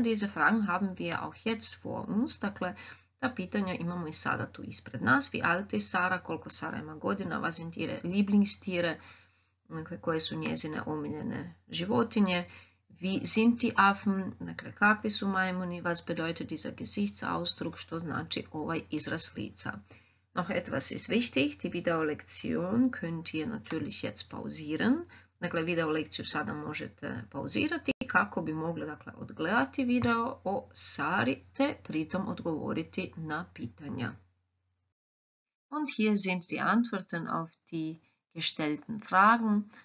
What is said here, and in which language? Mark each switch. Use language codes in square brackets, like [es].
[de] Diese Fragen haben wir auch jetzt vor uns. [hr] Dakle, ta pitanja imamo i sada tu ispred nas. [de] Wie alt ist Sara? [hr] Koliko Sara ima godina? [de] Was sind ihre Lieblingstiere? [hr] Dakle, koje su njezine omiljene životinje. [de] Wie sind die Affen? [hr] Dakle, kakvi su majmuni? [de] Was bedeutet dieser Gesichtsausdruck? [hr] Što znači ovaj izraz lica? [de] Noch etwas ist wichtig. Die Videolektion könnt ihr natürlich jetzt pausieren. [hr] Dakle, videolekciju sada možete pauzirati kako bi mogli dakle, odgledati video o Sari te pritom odgovoriti na pitanja. [de] Und hier sind die Antworten auf die gestellten Fragen.